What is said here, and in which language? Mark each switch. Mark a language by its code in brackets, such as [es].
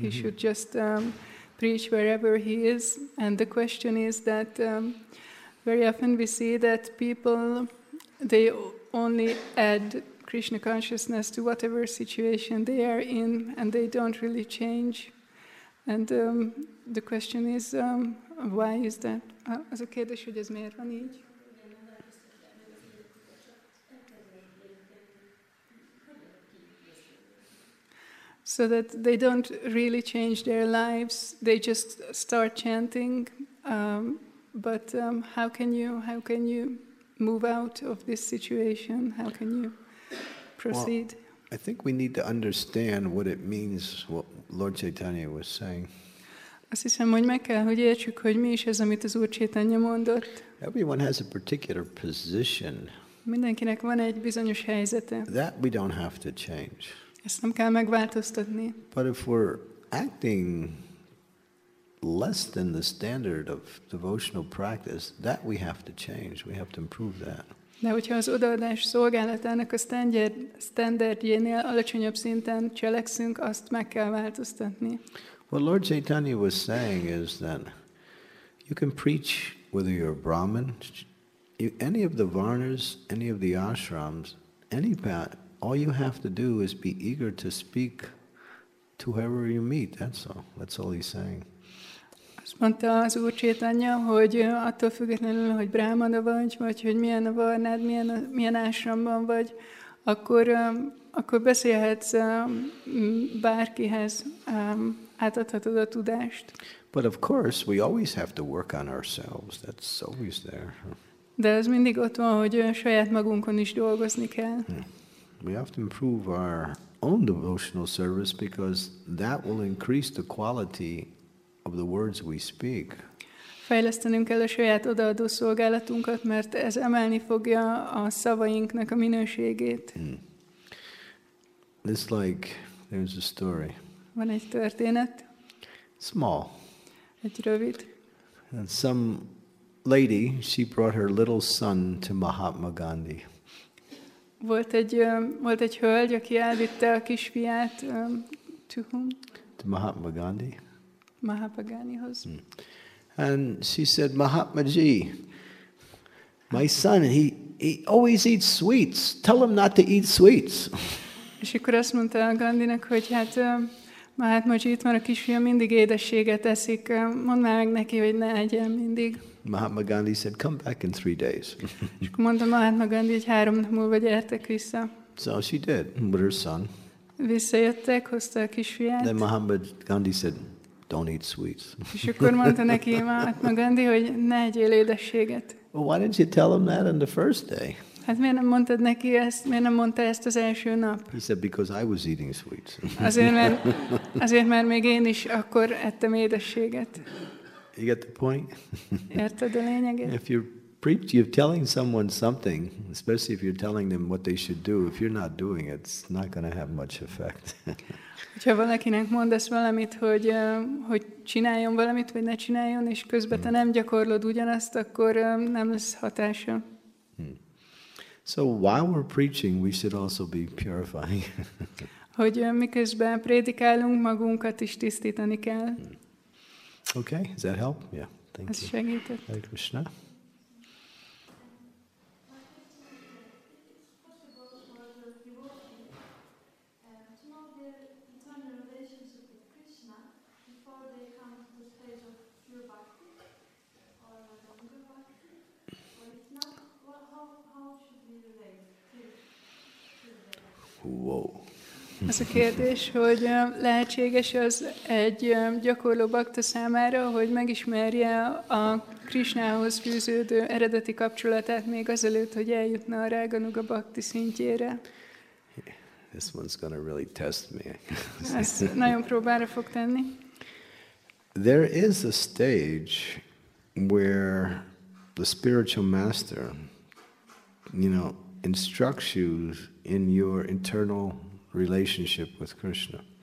[en] He should just preach wherever he is. And the question is that very often we see that people, they only add Krishna consciousness to whatever situation they are in, and they don't really change. And the question is, why is that? [hu] Az a kérdés, hogy ez miért van így? [en] So that they don't really change their lives, they just start chanting. How can you move out of this situation? How can you proceed? Well, I think we need to understand what it means, what Lord Chaitanya was saying. [hu] Azt hiszem, hogy meg kell, hogy értsük, hogy mi is ez, amit az Úr Chaitanya mondott. [en] Everyone has a particular position. [hu] Mindenkinek van egy bizonyos helyzete. [en] That we don't have to change. [hu] Ezt nem kell megváltoztatni. [en] But if we're acting less than the standard of devotional practice, that we have to change. We have to improve that. [hu] De hogyha az odaadás szolgálatának a standardjénél alacsonyabb szinten cselekszünk, azt meg kell változtatni. [en] What Lord Chaitanya was saying is that you can preach whether you're a Brahmin, any of the varnas, any of the ashrams, any path. All you have to do is be eager to speak to whoever you meet. That's all. That's all he's saying. [hu] Azt mondta az Úr Chaitanya, hogy attól függetlenül, hogy brámana vagy, vagy hogy milyen a varnád, milyen ásramban vagy, akkor beszélhetsz bárkihez, átadhatod a tudást. [en] But of course, we always have to work on ourselves. That's always there. [hu] De az mindig ott van, hogy saját magunkon is dolgozni kell. [en] We have to improve our own devotional service because that will increase the quality of the words we speak. [hu] Fejlesztenünk kell a saját odaadó szolgálatunkat, mert ez emelni fogja a szavainknak a minőségét. [en] It's like there's a story. [hu] Van egy történet. [en] Small. [hu] Egy rövid. [en] And some lady, she brought her little son to Mahatma Gandhi. [hu] Volt egy hölgy, aki elvitte a kisfiát [en] to whom? To Mahatma Gandhi. [hu] Mahatma Gandhihoz. Mm. [en] And she said, Mahatmaji, my son, he always eats sweets. Tell him not to eat sweets. [hu] És akkor azt mondta Gandhinak, hogy hát Mahatmaji, itt már a kisfia mindig édességet eszik. Mondd már meg neki, hogy ne egyen mindig. [en] Mahatma Gandhi said, come back in 3 days. [hu] És akkor mondta Mahatma Gandhi, hogy 3 nap múlva gyertek vissza. [en] So she did, with her son. [hu] Visszajöttek, hozta a kisfiát. [en] Then Mahatma Gandhi said, don't eat sweets. [hu] És akkor mondta neki Mahatma Gandhi, hogy ne egyél édességet. [en] Well, why didn't you tell him that on the first day? [hu] Hát miért nem mondtad neki ezt, miért nem mondta ezt az első nap? [en] He said, because I was eating sweets. [hu] Azért, mert még én is akkor ettem édességet. [en] You get the point? [hu] Érted a lényeget? [en] If you're preaching, you're telling someone something, especially if you're telling them what they should do, if you're not doing it, it's not going to have much effect. [hu] Hogyha valakinek mondasz valamit, hogy csináljon valamit, vagy ne csináljon, és közben te nem gyakorlod ugyanazt, akkor nem lesz hatása. [en] So while we're preaching, we should also be purifying. [hu] Hogy miközben prédikálunk, magunkat is tisztítani kell. [en] Okay, does that help? Yeah, thank [hu] you. Ez segített. [en] Hare Krishna. [hu] Az a kérdés, hogy lehetséges az egy gyakorló bakta számára, hogy megismerje a Krisnához fűződő eredeti kapcsolatát még azelőtt, hogy eljutna a Raganuga bakti szintjére. [en] This one's gonna really test me. [hu] Ez nagyon próbára fog tenni. [en] There is a stage where the spiritual master, you know, instructs you in your internal relationship with Krishna.